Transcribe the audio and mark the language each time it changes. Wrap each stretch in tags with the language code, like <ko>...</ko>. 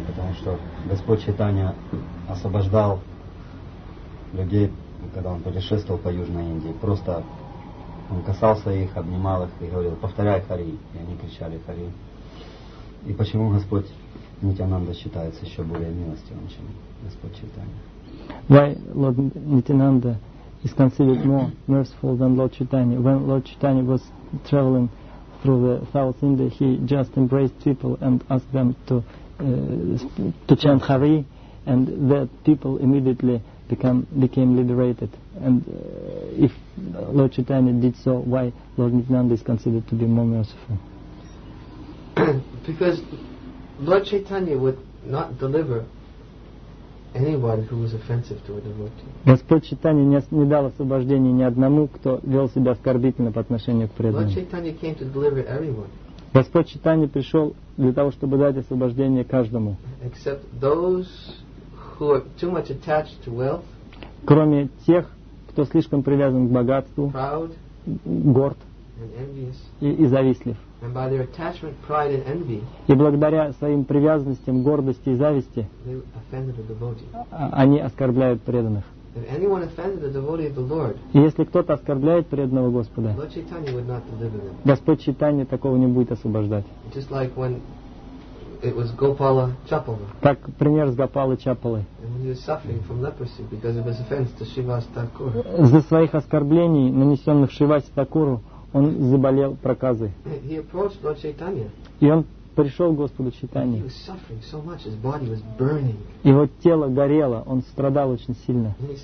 <ru>Потому что Господь Читания освобождал людей, когда он путешествовал по Южной Индии. Просто он касался их, обнимал их и говорил: «Повторяй Хари!» И они кричали: «Хари!» И почему Господь Нитянанда считается еще более милостивым, чем Господь Читания?</ru> <en>Why Lord Nityananda is considered more merciful than Lord Chaitanya? When Lord Chaitanya was traveling through the South India, he just embraced people and asked them to chant Hari, and the people immediately became liberated. And if Lord Chaitanya did so, why Lord Nityananda is considered to be more merciful? Because Lord Chaitanya would not deliver anyone who was offensive to a devotee.</en> <ru>Господь Читания не дал освобождения ни одному, кто вел себя оскорбительно по отношению к преданным.</ru> <en>Lord Chaitanya came to deliver everyone.</en> <ru>Господь Читания пришел для того, чтобы дать освобождение каждому.</ru> <en>Except those who are too much attached to wealth.</en> <ru>Кроме тех, кто слишком привязан к богатству.</ru> <en>Proud.</en> <ru>Горд.</ru> <en>And envious.</en> <ru>И завистлив.</ru> <en>And by their attachment, pride and envy.</en> <ru>И благодаря своим привязанностям, гордости и зависти,</ru> <en>they offended the devotee.</en> <ru>Они оскорбляют преданных.</ru> <en>If anyone offended the devotee of the Lord,</en> <ru>и если кто-то оскорбляет преданного Господа,</ru> <en>Lord Chaitanya would not deliver them.</en> <ru>Господь Читания такого не будет освобождать.</ru> <en>Just like when it was Gopala Chapala.</en> <ru>Так пример с Гопалы Чапалы.</ru> <en>And he was suffering from leprosy because of his offense to Shivas Thakur.</en> <ru>За своих оскорблений, нанесенных Шивасе Такуру, он заболел проказой. И он пришел к Господу Читания.</ru> <en>So</en> <ru>его тело горело, он страдал очень сильно.</ru>